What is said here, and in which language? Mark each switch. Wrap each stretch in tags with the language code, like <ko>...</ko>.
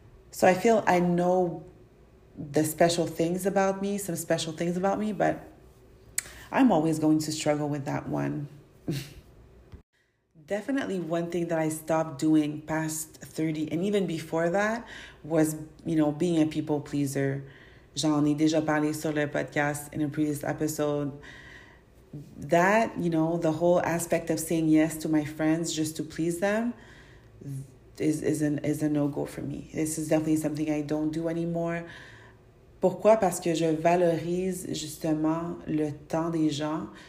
<en>So I feel I know the special things about me, some special things about me, but I'm always going to struggle with that one. Definitely one thing that I stopped doing past 30 and even before that was, you know, being a people pleaser.</en> <fr>J'en ai déjà parlé sur le podcast</fr> <en>in a previous episode. That, you know, the whole aspect of saying yes to my friends just to please them is a no-go for me. This is definitely something I don't do anymore.</en> <fr>Pourquoi? Parce que je valorise justement le temps des gens.</fr>